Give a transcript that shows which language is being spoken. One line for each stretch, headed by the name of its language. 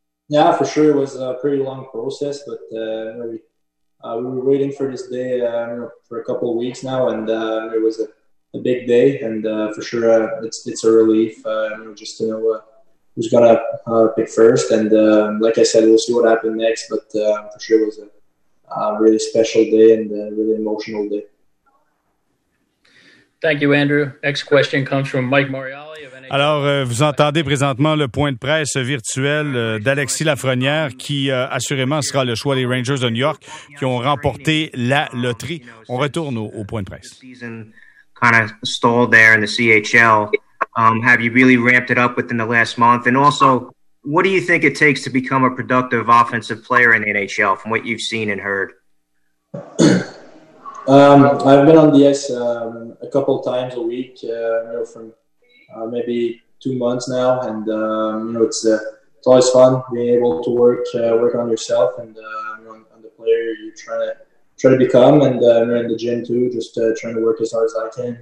English: Yeah, for sure. It was a pretty long process, but we were waiting for this day for a couple of weeks now, and it was a big day, and for sure it's a relief just to know who's going to pick first. And like I said, we'll see what happened next. But for sure it was a really special day and a really emotional day. Thank you, Andrew. Next question comes from Mike Morreale.
French: Alors, vous entendez présentement le point de presse virtuel d'Alexis Lafrenière, qui assurément sera le choix des Rangers de New York, qui ont remporté la loterie. On retourne au point de presse.
English: Kind of stalled there in the CHL. Have you really ramped it up within the last month? And also, what do you think it takes to become a productive offensive player in the NHL from what you've seen and heard? I've been on the ice a couple times a week, you know, from maybe 2 months now, and you know, it's always fun being able to work on yourself and on the player you're trying to become, and in the gym too, just trying to work as hard as I can.